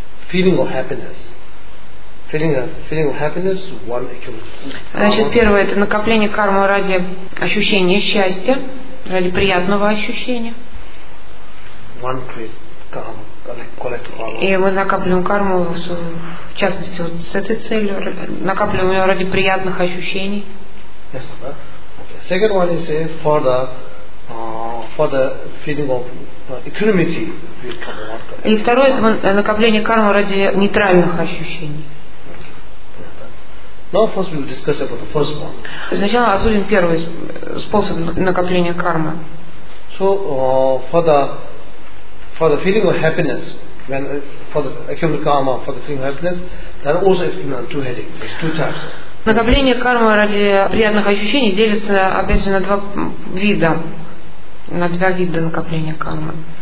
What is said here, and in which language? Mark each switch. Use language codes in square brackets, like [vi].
[en] Feeling of happiness. feeling of happiness, one actually. [ru] Значит, первое это накопление кармы ради ощущения счастья, ради приятного ощущения. [en] One create karma, collect karma. [ru] И мы накапливаем карму, в частности, вот с этой целью, накапливаем ее ради приятных ощущений. [en] Yes, okay. Second one is for the feeling of equanimity. [ru] И второе это накопление кармы ради нейтральных ощущений. [en] Now first we'll discuss about the first one. [ru] Сначала обсудим первый способ накопления кармы. [en] So for the feeling of happiness, when for the accumulated karma, for the feeling of happiness, there are also two headings, there's two types. [ru] Накопление кармы ради приятных ощущений делится опять же на два вида. На два вида накопления кармы.